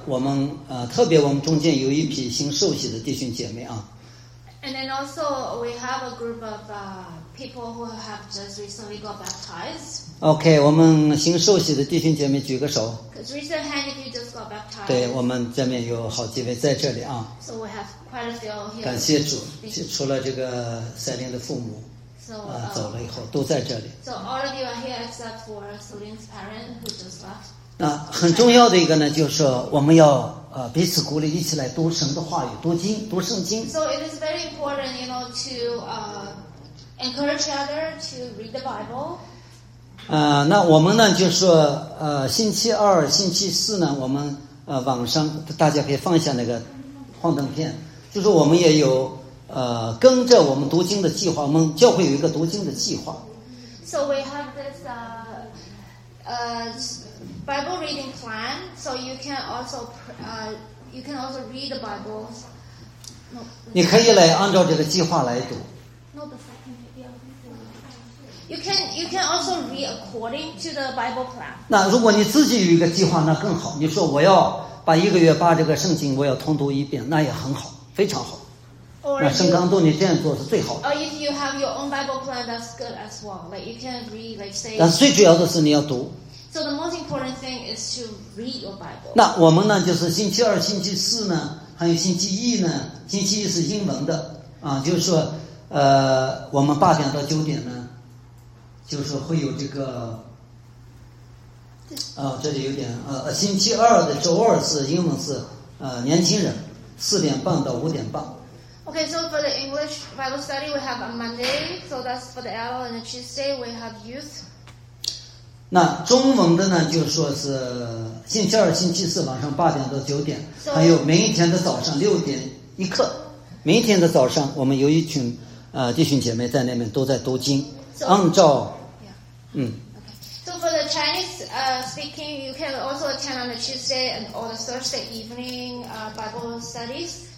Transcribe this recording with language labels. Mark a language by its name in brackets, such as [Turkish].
[Chinese] 我们特别我们中间有一批新受洗的弟兄姐妹啊。 [English] And then also we have a group of people who have just recently got baptized. [Chinese] Okay, 我们新受洗的弟兄姐妹举个手。 [English] Because raise your hand if you just got baptized. [Chinese] 对，我们这边有好几位在这里啊。 [English] So we have. [Chinese] 感谢主，除了这个赛琳的父母走了以后都在这里。 [English] So all of you are here except for Celine's parents who just left. [Chinese] 那很重要的一个呢，就是我们要彼此鼓励，一起来读神的话语，读圣经。 [English] So it is very important, you know, to encourage each other to read the Bible. [Chinese] 那我们呢，就是星期二、星期四呢，我们网上大家可以放下那个幻灯片。就是我们也有跟着我们读经的计划，我们教会有一个读经的计划。 [English] So we have this Bible reading plan. So you can also read the Bible. No, [Chinese] 你可以来按照这个计划来读。 [English] You can also read according to the Bible plan. [Chinese] 那如果你自己有一个计划，那更好。你说我要把一个月把这个圣经我要通读一遍，那也很好。非常好，那圣纲读你这样做是最好的。 [English] Or if you have your own Bible plan, that's good as well. Like you can read, like say. [Chinese] 但最主要的是你要读。 [English] So the most important thing is to read your Bible. [Chinese] 那我们呢，就是星期二、星期四呢，还有星期一呢。星期一是英文的啊，就是说，我们八点到九点呢，就是会有这个，这里有点星期二的周二是英文是年轻人。 [English] 4:30 to 5:30 Okay, so for the English Bible study, we have a Monday, so that's for the L, and Tuesday we have youth. [Chinese] 那中文的呢，就是说是星期二、星期四晚上 [English] 8:00 to 9:00 so, [Chinese] 还有每一天的早上6:00每一天的早上，我们有一群弟兄姐妹在那边都在读经， [English] so, [Chinese] 按照 [English] Okay. So for the Chinese speaking, you can also attend on the Tuesday and all the Thursday evening Bible studies.